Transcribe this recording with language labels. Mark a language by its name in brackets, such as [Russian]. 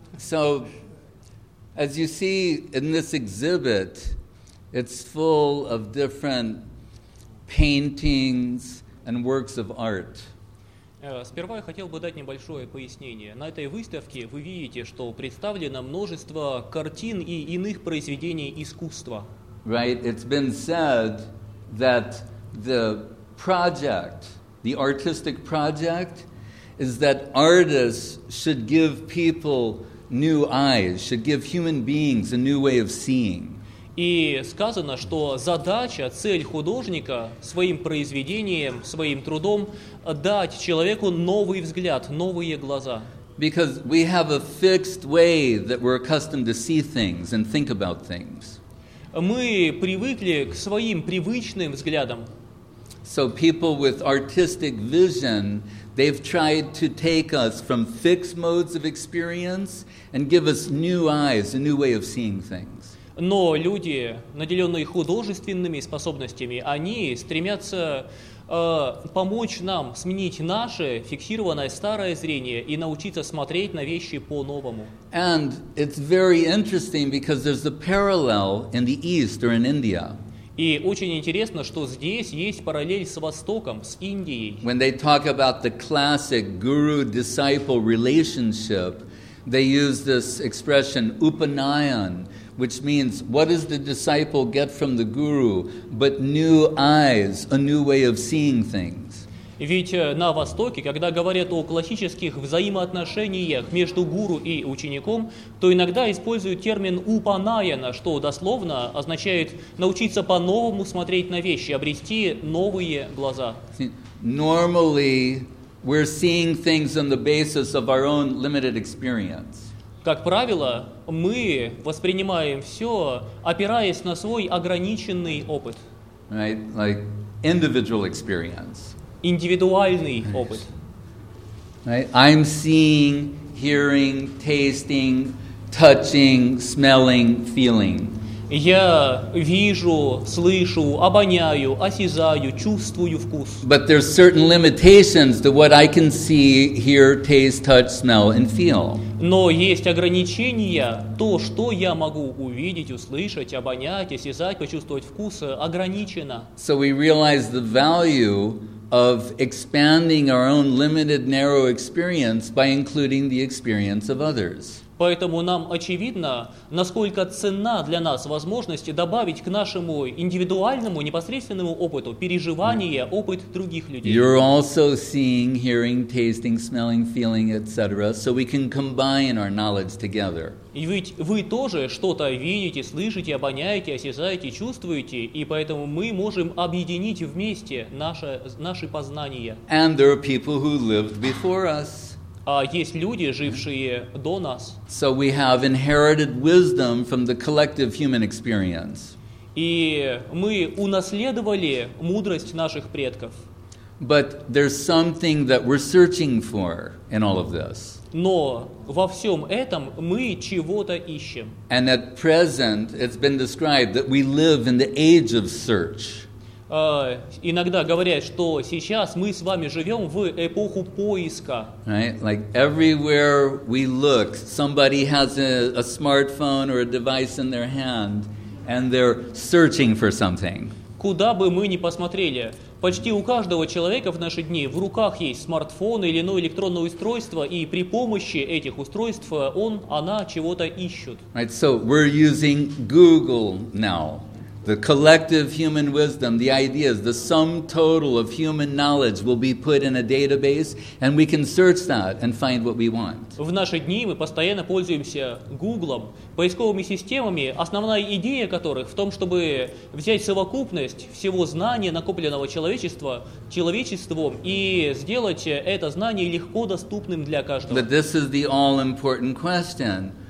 [English] So, as you see in this exhibit, it's full of different paintings and works of art. [Russian] Сперва я хотел бы дать небольшое пояснение. На этой выставке вы видите, что представлено множество картин и иных произведений искусства. [English] Right, it's been said that the project, the artistic project, is that artists should give people new eyes, should give human beings a new way of seeing. [Russian] И сказано, что задача, цель художника своим произведением, своим трудом дать человеку новый взгляд, новые глаза. [English] Because we have a fixed way that we're accustomed to see things and think about things. [Russian] Мы привыкли к своим привычным взглядам. [English] So people with artistic vision, they've tried to take us from fixed modes of experience and give us new eyes, a new way of seeing things. [Russian] Но люди, наделенные художественными способностями, они стремятся помочь нам сменить наше фиксированное старое зрение и научиться смотреть на вещи по-новому. [English] And it's very interesting because there's a parallel in the East or in India. [Russian] И очень интересно, что здесь есть параллель с Востоком, с Индией. [English] When they talk about the classic guru-disciple relationship, they use this expression upanayan, which means what does the disciple get from the guru but new eyes, a new way of seeing things. [Russian] Ведь на Востоке, когда говорят о классических взаимоотношениях между гуру и учеником, то иногда используют термин «упанаяна», что дословно означает научиться по-новому смотреть на вещи, обрести новые глаза. [English] Normally, we're seeing things on the basis of our own limited experience. [Russian] Как правило, мы воспринимаем все, опираясь на свой ограниченный опыт. [English] Right, like individual experience. [Russian] Индивидуальный опыт. [English] Right. I'm seeing, hearing, tasting, touching, smelling, feeling. [Russian] Я вижу, слышу, обоняю, осязаю, чувствую вкус. [English] But there's certain limitations to what I can see, hear, taste, touch, smell, and feel. [Russian] Но есть ограничения, то, что я могу увидеть, услышать, обонять, осязать, почувствовать вкус, ограничено. [English] So we realize the value of expanding our own limited narrow experience by including the experience of others. [Russian] Поэтому нам очевидно, насколько ценна для нас возможность добавить к нашему индивидуальному, непосредственному опыту переживания, опыт других людей. [English] You're also seeing, hearing, tasting, smelling, feeling, etc. So we can combine our knowledge together. [Russian] И ведь вы тоже что-то видите, слышите, обоняете, осязаете, чувствуете, и поэтому мы можем объединить вместе наши познания. [English] And there are people who lived before us. [Russian] Есть люди, жившие до нас. [English] So we have inherited wisdom from the collective human experience. [Russian] И мы унаследовали мудрость наших предков. [English] But there's something that we're searching for in all of this. [Russian] Но во всем этом мы чего-то ищем. [English] And at present, it's been described that we live in the age of search. [Russian] Иногда говорят, что сейчас мы с вами живем в эпоху поиска. [English] Right? Like everywhere we look, somebody has a smartphone or a device in their hand, and they're searching for something. [Russian] Куда бы мы ни посмотрели, почти у каждого человека в наши дни в руках есть смартфон или иное электронное устройство, и при помощи этих устройств он, она чего-то ищет. [English] Right, so we're using Google now. The collective human wisdom, the ideas, the sum total of human knowledge will be put in a database, and we can search that and find what we want. [Russian] В наши дни мы постоянно пользуемся Гуглом, поисковыми системами, основная идея которых в том, чтобы взять совокупность всего знания, накопленного человечеством, и сделать это знание легко доступным для каждого. [English] But this is the all-important question.